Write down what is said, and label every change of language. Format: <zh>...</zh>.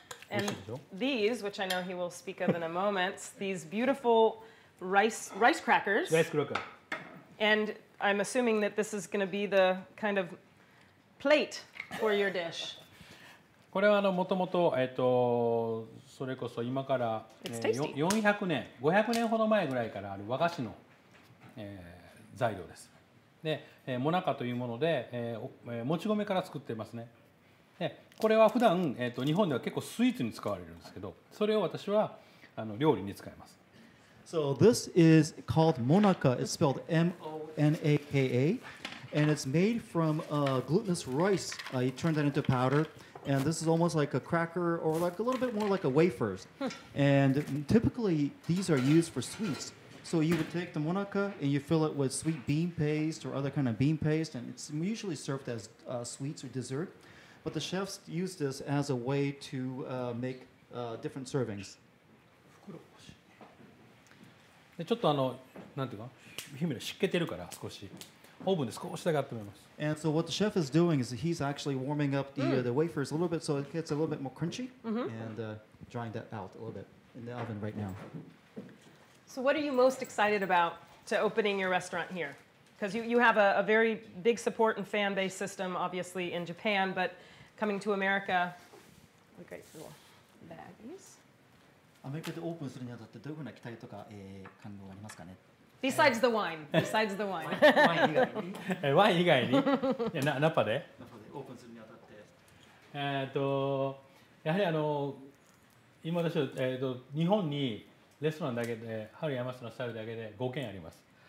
<en>And these, which I know he will speak of in a moment, these beautiful rice crackers. Rice cracker. And I'm assuming that this is going to be the kind of plate for your dish.</en> <ja>これはあのもともと、それこそ今から、400年、500年ほど前ぐらいからある和菓子の、材料です。で、モナカというもので、もち米から作ってますね。で、これは普段、日本では結構スイーツに使われるんですけど、それを私はあの料理に使います。</ja> <en>So this is called Monaka. It's spelled M-O-N-A-K-A. And it's made from, glutinous rice. You turn that into powder. and this is almost like a cracker or like a little bit more like a wafers. And typically these are used for sweets. So you would take the monaka and you fill it with sweet bean paste or other kind of bean paste, and it's usually served as sweets or dessert. But the chefs use this as a way to make different servings.</en> <ja>でちょっとあのなんていうか表面が湿気てるから少しオーブンで少しだけ温めます。</ja> <en>And so what the chef is doing is he's actually warming up the,、the wafers a little bit so it gets a little bit more crunchy、and、drying that out a little bit in the oven right now. So what are you most excited about to opening your restaurant here? Because you have a very big support and fan base system obviously in Japan, but coming to America, we got your little baggies.</en> <ja>アメリカでオープンするにあたってどういうふうな期待とか、感動ありますかね</ja> <en>Besides the wine. Besides the wine.</en> <ja>ワイン以外に。ワイン以外に。いや、ナパで。ナパでオープンするにあたって。やはりあの、今私は、日本にレストランだけで、春山市のスタイルだけで5軒あります。</ja>